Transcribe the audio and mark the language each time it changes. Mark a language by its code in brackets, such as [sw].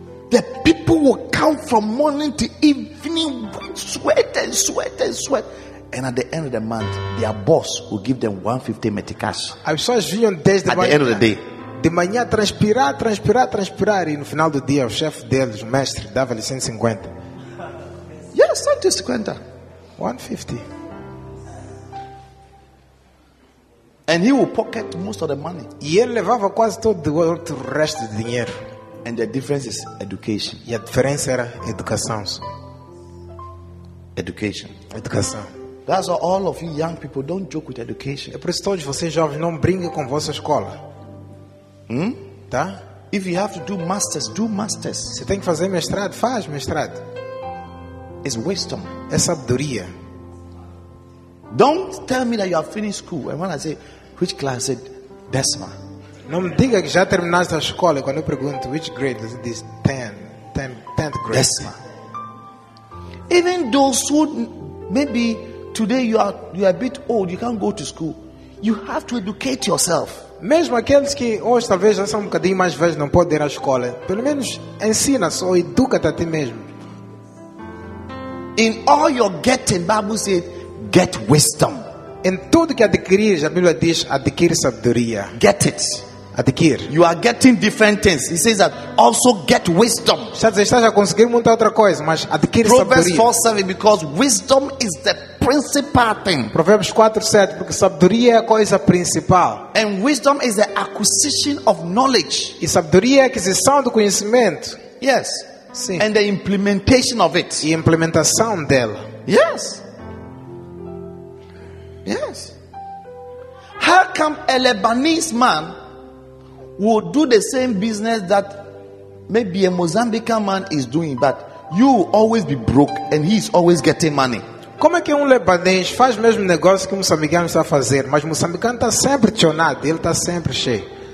[en] The people will come from morning to evening, sweat and sweat and sweat. And at the end of the month, their boss will give them 150 meticais. [pt] As pessoas vinham desde [en] at the end of the day. [pt] De manhã transpirar e no final do dia o chefe deles, o mestre, dava-lhe 150. [en] Yes, 150. 150. And he will pocket most of the money. [pt] E ele levava quase todo o resto do dinheiro. [en] And the difference is education. [pt] E a diferença era educação. [en] Education. [pt] Educação. [en] That's why all of you young people don't joke with education. [pt] É por isso todos vocês jovens não brinquem com vossa escola. Hmm? Tá? [en] If you have to do masters, do masters. [pt] Você tem que fazer mestrado, faz mestrado. [en] It's wisdom. [pt] É sabedoria. [en] Don't tell me that you have finished school. And when I say, which class? I said, décima. [pt] Não me diga que já terminaste a escola. Quando eu pergunto, [en] which grade? Is this 10th grade. [pt] Décima. [en] Even those who maybe today you are a bit old, you can't go to school. You have to educate yourself. [pt] Mesmo aqueles que hoje talvez já são um bocadinho mais velhos, não podem ir à escola. Pelo menos ensina-se ou educa-te a ti mesmo. [en] In all your getting, Bible says, get wisdom. [pt] Em tudo que adquires, a Bíblia diz, adquire sabedoria. [en] Get it. [pt] Adquire. [en] You are getting different things. He says that also get wisdom. [pt] Estás a conseguir muita outra coisa, mas adquire [en] Proverbs [pt] sabedoria. [en] Proverbs 4:7, because wisdom is the principal thing. [pt] Provérbios 4:7, porque sabedoria é a coisa principal. [en] And wisdom is the acquisition of knowledge. [pt] E sabedoria é a aquisição do conhecimento. [en] Yes. [pt] Sim. [en] And the implementation of it. [pt] E implementação dela. [en] Yes. Yes. How come a Lebanese man would do the same business that maybe a Mozambican man is doing, but you will always be broke and he is always getting money? [pt] Como é que Lebanês faz o mesmo negócio que moçambicano está a fazer, mas moçambicano está sempre chonado, ele está sempre cheio?